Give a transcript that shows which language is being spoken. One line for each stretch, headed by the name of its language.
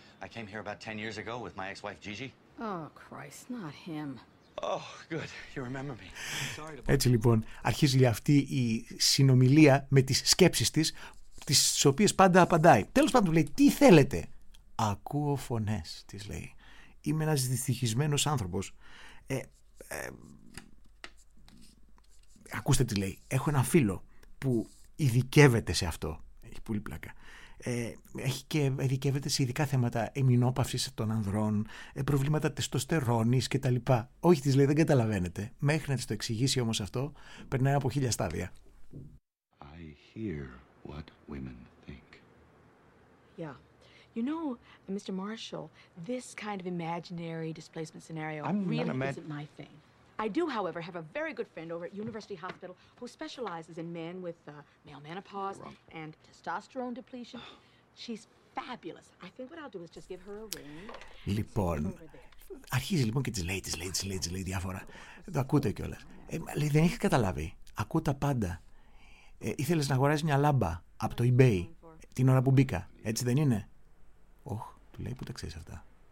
English: I came here about 10 years ago with my ex-wife Gigi. Oh, Christ, not him. Oh, good. You remember me.
Greek: Έτσι λοιπόν αρχίζει αυτή η συνομιλία με τις σκέψεις της, τις οποίες πάντα απαντάει. Τέλος πάντων, λέει, τι θέλετε? Ακούω φωνές, της λέει. Είμαι ένας δυστυχισμένος άνθρωπος. Ακούστε τι λέει. Έχω ένα φίλο που ειδικεύεται σε αυτό. Έχει πολύ πλάκα. Έχει και ειδικεύεται σε ειδικά θέματα εμεινόπαυσης των ανδρών, προβλήματα τεστοστερώνης κτλ. Όχι, της λέει, δεν καταλαβαίνετε. Μέχρι να της το εξηγήσει όμως αυτό, περνάει από χίλια στάδια.
English: I hear what women think. Yeah. You know, Mr. Marshall, this kind of imaginary displacement scenario really isn't my thing. I do, however, have a very good friend over at University Hospital who specializes in men with male menopause and testosterone depletion. She's fabulous. I think what I'll do is just give her a ring.
Greek: Λοιπόν, αρχίζει λοιπόν και τις λέει διάφορα. Το ακούτε κιόλας. Λέει, δεν έχει καταλάβει. Ακούω τα πάντα. Ήθελες να αγοράσεις μια λάμπα από το eBay την ώρα που μπήκα. Έτσι δεν είναι? Όχ, του λέει, πού τα ξέρεις αυτά?